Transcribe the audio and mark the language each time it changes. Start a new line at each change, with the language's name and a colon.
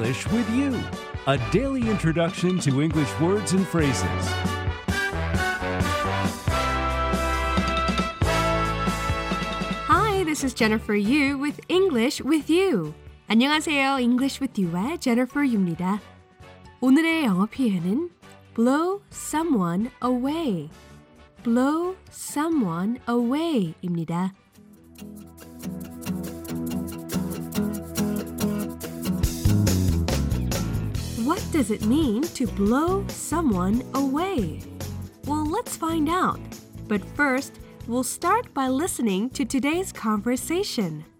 English: With you, a daily introduction to English words and phrases. Hi, this is Jennifer Yu with English with You.
Korean: 안녕하세요, English with You의 Jennifer Yu입니다. 오늘의 영어 표현은 blow someone away.
English: Blow someone away 입니다. What does it mean to blow someone away? Well, let's find out. But first, we'll start by listening to today's conversation.